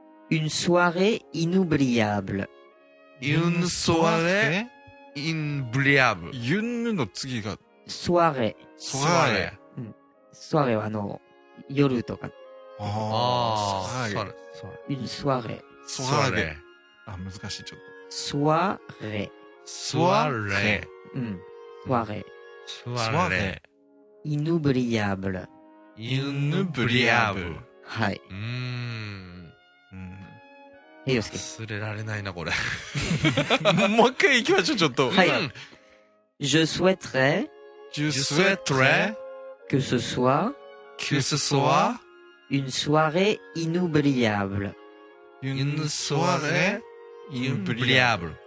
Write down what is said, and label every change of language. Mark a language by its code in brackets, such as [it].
[fr] une soirée inoubliable une soirée inoubliable une [ja] の次がソアレ、ソアレ、うん、ソアレはあの夜とか、ああ、ソアレ、ソアレ、ソアレ、ソアレ、あ難しいちょっと、ソアレ、ソアレ、うん、ソアレ、ソアレ、イヌブリアブル、イヌブリアブル、はい、うーん、うん、忘れられないなこれ、もう一回行きましょうちょっと、 [fr] はい、Je souhaiterais Je souhaiterais que ce soit une soirée inoubliable. Une soirée inoubliable.